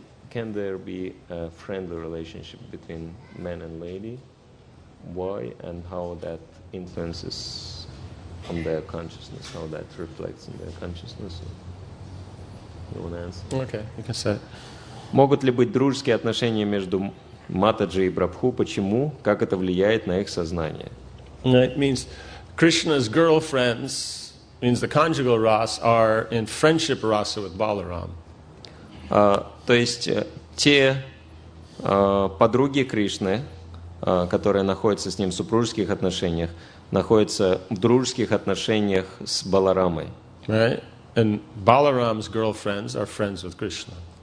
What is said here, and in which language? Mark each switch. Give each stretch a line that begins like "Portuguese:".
English: Can there be a friendly relationship between man and lady? Why and how that influences on their consciousness, how that reflects in their consciousness? You want to answer? Okay, you can say.
Russian: Могут ли быть дружеские отношения между Матаджи и Прабху, почему, как это влияет на их сознание.
English: It means Krishna's girlfriends, means the conjugal ras, are in friendship rasa with Balaram.
Russian: То есть те подруги Кришны, которые находятся с ним в супружеских отношениях, находятся в дружеских отношениях с Баларамой.
English: Right? And Balaram's girlfriends are friends with Krishna.